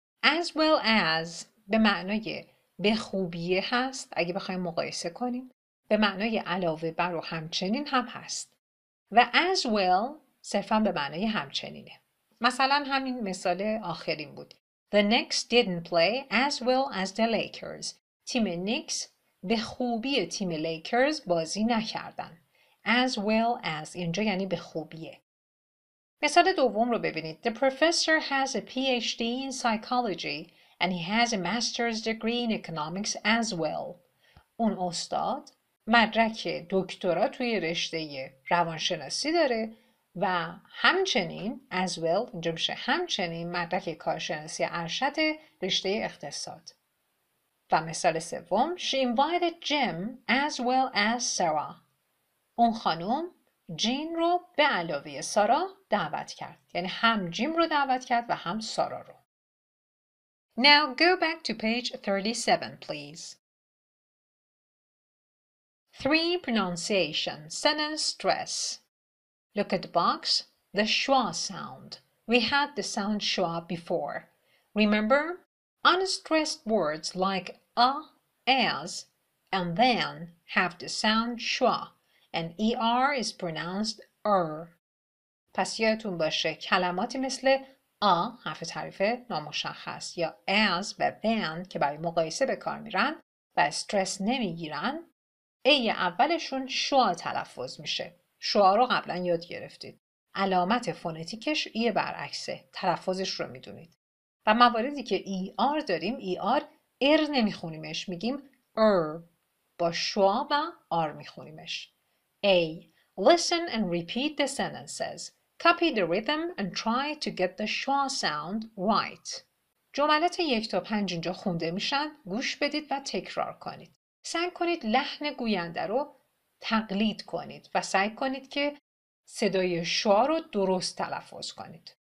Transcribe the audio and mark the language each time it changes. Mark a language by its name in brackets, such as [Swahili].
[Persian] As well as به معنای به خوبی هست اگه بخوایم مقایسه کنیم. به معنای علاوه بر و همچنین هم هست. و as well صرفا به معنای همچنینه. مثلا همین مثال آخرین بود. [English] The Knicks didn't play as well as the Lakers. [Persian] تیم نیکس به خوبی تیم لیکرز بازی نکردن. As well as اینجا یعنی به خوبیه. مثال دوم رو ببینید. [English] The professor has a PhD in psychology and he has a master's degree in economics as well. [Persian] اون استاد مدرک دکترا توی رشته روانشناسی داره و همچنین as well اینجا میشه همچنین مدرک کارشناسی ارشد رشته اقتصاد. و مثال سوم [English] She invited Jim as well as Sarah. [Persian] اون خانم جین رو به علاوه سارا دعوت کرد. یعنی هم جیم رو دعوت کرد و هم سارا رو. [English] Now go back to page 37, please. 3. Pronunciation. Sentence stress. Look at the box. The schwa sound. We had the sound schwa before. Remember? Unstressed words like a, as, and then have the sound schwa. And ER is pronounced R. [Persian] پس یادتون باشه کلماتی مثل A حرف تعریف نامشخص یا AS و THEN که برای مقایسه به کار میرن و استرس نمیگیرن A اولشون شوا تلفظ میشه. شوا رو قبلا یاد گرفتید. علامت فونتیکش ای برعکسه. تلفظش رو میدونید. و مواردی که ER داریم ER R نمیخونیمش. میگیم R با شوا و R میخونیمش. [English] A. Listen and repeat the sentences. Copy the rhythm and try to get the schwa sound right. [Persian] جملات 1 تا 5 اینجا خونده میشن. گوش بدید و تکرار کنید. سعی کنید لحن گوینده رو تقلید کنید و سعی کنید که صدای شوا رو درست تلفظ کنید.